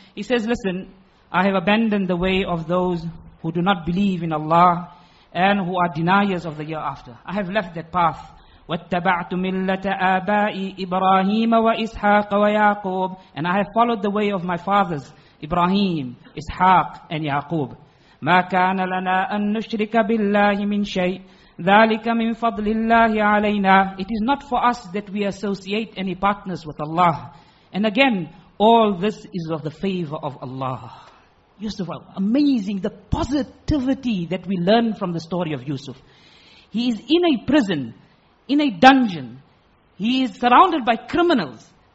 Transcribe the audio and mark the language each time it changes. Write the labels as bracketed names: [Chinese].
[English] He says, listen, I have abandoned the way of those who do not believe in Allah and who are deniers of the year after. I have left that path. [Arabic] وَاتَّبَعْتُ مِلَّةَ آبَائِي إِبْرَاهِيمَ وَإِسْحَاقَ وَيَعْقُوبَ. [English] And I have followed the way of my fathers, Ibrahim, Ishaq, and Yaqub. [Arabic] ما كان لنا أن نشرك بالله من شيء ذلك من فضل الله علينا. [English] It is not for us that we associate any partners with Allah. And again, all this is of the favor of Allah. Yusuf, amazing, the positivity that we learn from the story of Yusuf. He is in a prison, in a dungeon. He is surrounded by criminals.